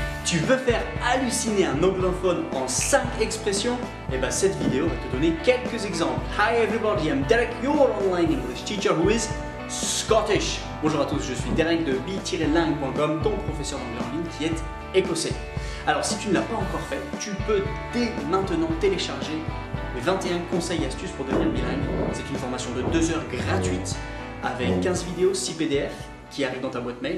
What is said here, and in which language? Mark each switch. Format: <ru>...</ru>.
<fr>Tu veux faire halluciner un anglophone en 5 expressions? Eh bien, cette vidéo va te donner quelques exemples.</fr> <en>Hi everybody, I'm Derek, your online English teacher who is Scottish.</en> <fr>Bonjour à tous, je suis Derek de b-lang.com, ton professeur d'anglais en ligne qui est écossais. Alors, si tu ne l'as pas encore fait, tu peux dès maintenant télécharger les 21 conseils et astuces pour devenir bilingue. C'est une formation de 2 heures gratuite avec 15 vidéos, 6 PDF qui arrivent dans ta boîte mail.</fr>